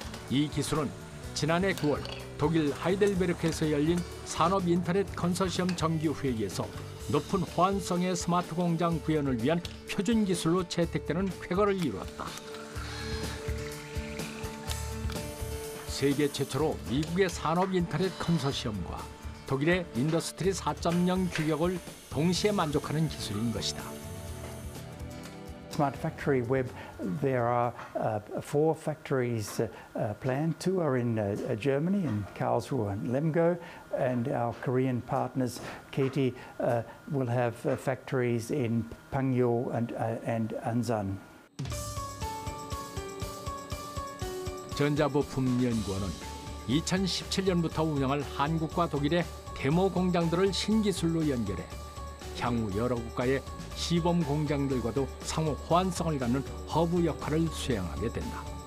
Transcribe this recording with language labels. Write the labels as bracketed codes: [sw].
[ko] 이 기술은 지난해 9월 독일 하이델베르크에서 열린 산업 인터넷 컨소시엄 정규 회의에서 높은 호환성의 스마트 공장 구현을 위한 표준 기술로 채택되는 쾌거를 이루었다. 세계 최초로 미국의 산업 인터넷 컨소시엄과 독일의 인더스트리 4.0 규격을 동시에 만족하는 기술인 것이다. [en] Smart Factory Web, there are four factories planned. Two are in Germany, in Karlsruhe and Lemgo, and our Korean partners, KT, will have factories in Pangyo and Ansan. [ko] 전자부품연구원은 2017년부터 운영할 한국과 독일의 데모 공장들을 신기술로 연결해 향후 여러 국가의 시범 공장들과도 상호 호환성을 갖는 허브 역할을 수행하게 된다.